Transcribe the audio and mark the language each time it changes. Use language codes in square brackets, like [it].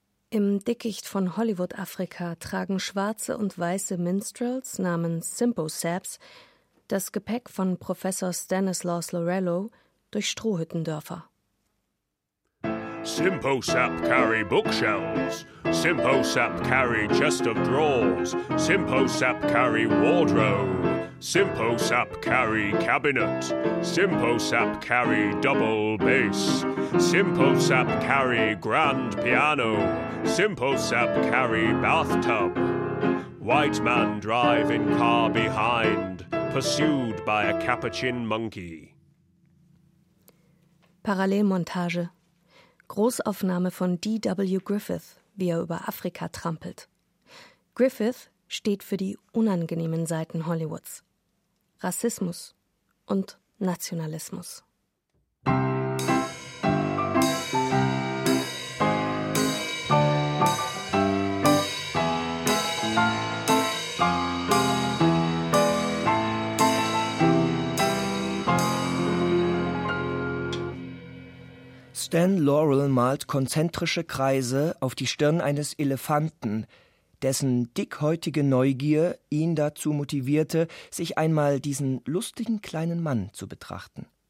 [de] Im Dickicht von Hollywood, Afrika, tragen schwarze und weiße Minstrels namens Simpo Saps das Gepäck von Professor Stanislaus Lorello durch Strohhüttendörfer. [en] Simpo Sap carry bookshelves. Simpo Sap carry chest of drawers. Simpo Sap carry wardrobe. Simpo Sap carry cabinet. Simpo Sap carry double bass. Simpo Sap carry grand piano. Simpo Sap carry bathtub. White man drive in car behind, pursued by a capuchin monkey. [de] Parallelmontage. Großaufnahme von D.W. Griffith, wie er über Afrika trampelt. Griffith steht für die unangenehmen Seiten Hollywoods. Rassismus und Nationalismus. Stan Laurel malt konzentrische Kreise auf die Stirn eines Elefanten, dessen dickhäutige Neugier ihn dazu motivierte, sich einmal diesen lustigen kleinen Mann zu betrachten.